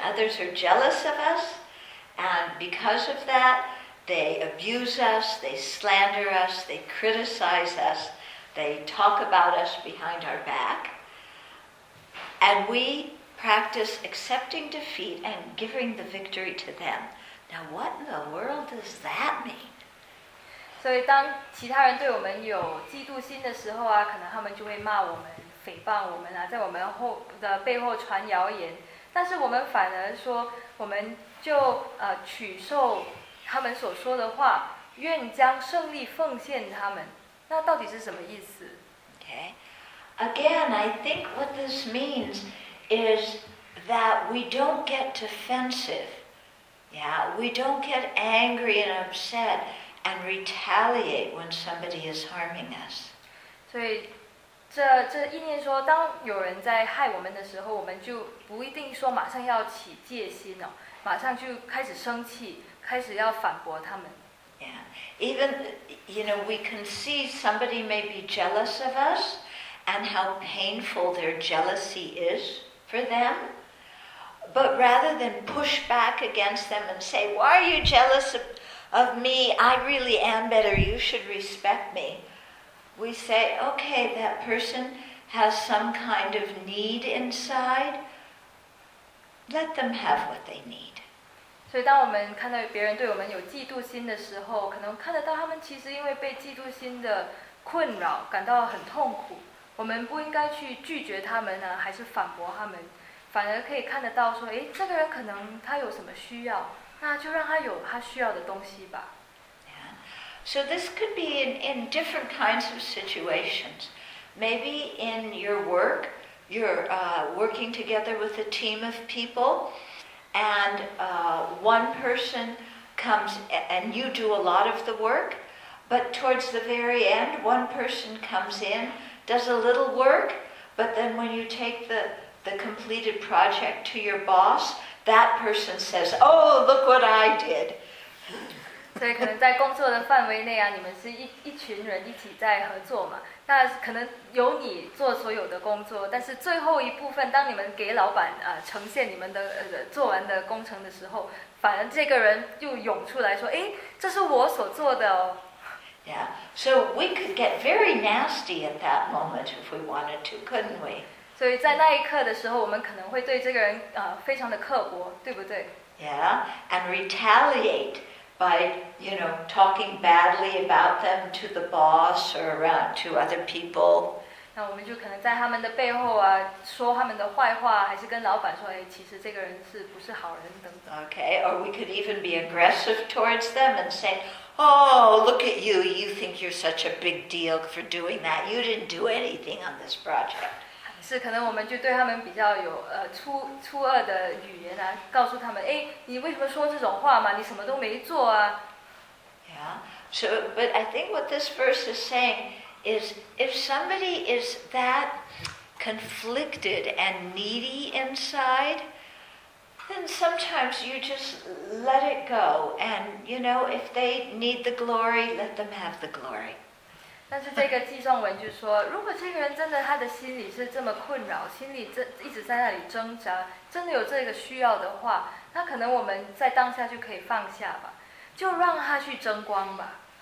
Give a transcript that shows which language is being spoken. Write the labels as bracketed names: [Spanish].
[English] Others are jealous of us, and because of that, they abuse us, they slander us, they criticize us, they talk about us behind our back. And we practice accepting defeat and giving the victory to them. Now, what in the world does that mean? [Chinese] 所以当其他人对我们有嫉妒心的时候啊，可能他们就会骂我们、诽谤我们啊，在我们后的背后传谣言。但是我们反而说，我们就取受他们所说的话，愿将胜利奉献他们。那到底是什么意思？ [English] Okay. Again, I think what this means is that we don't get defensive. Yeah, we don't get angry and upset and retaliate when somebody is harming us. [Chinese] 所以这意念说，当有人在害我们的时候，我们就不一定说马上要起戒心哦，马上就开始生气，开始要反驳他们。 [English] Yeah, even, you know, we can see somebody may be jealous of us and how painful their jealousy is for them. But rather than push back against them and say, why are you jealous of me? I really am better. You should respect me. We say, okay, that person has some kind of need inside. Let them have what they need. [Chinese] 所以当我们看到别人对我们有嫉妒心的时候，可能看得到他们其实因为被嫉妒心的困扰感到很痛苦。我们不应该去拒绝他们呢，还是反驳他们。反而可以看得到说，诶，这个人可能他有什么需要，那就让他有他需要的东西吧。 [English] Yeah. So this could be in different kinds of situations. Maybe in your work, you're working together with a team of people, and one person comes and you do a lot of the work, but towards the very end, one person comes in, does a little work, but then when you take the completed project to your boss, that person says, oh, look what I did. [Chinese] 所以可能在工作的范围内啊，你们是一群人一起在合作嘛，那可能由你做所有的工作，但是最后一部分当你们给老板呈现你们的做完的工程的时候，反而这个人又涌出来说，诶，这是我所做的哦。 [English] Yeah, so we could get very nasty at that moment if we wanted to, couldn't we? [Chinese] 所以在那一刻的时候，我们可能会对这个人非常的刻薄，对不对？ [English] Yeah, and retaliate by, you know, talking badly about them to the boss or around to other people. [Chinese] 那我们就可能在他们的背后啊，说他们的坏话，还是跟老板说，哎，其实这个人是不是好人等等。 [English] Okay, or we could even be aggressive towards them and say, oh, look at you, you think you're such a big deal for doing that. You didn't do anything on this project. [Chinese] 是，可能我们就对他们比较有粗恶的语言啊，告诉他们，哎，你为什么说这种话嘛？你什么都没做啊。 [English] Yeah. So, but I think what this verse is saying is, if somebody is that conflicted and needy inside, then sometimes you just let it go, and you know, if they need the glory, let them have the glory. [Chinese] 但是这个记诵文就说，如果这个人真的他的心里是这么困扰，心里一直在那里挣扎，真的有这个需要的话，那可能我们在当下就可以放下吧，就让他去争光吧。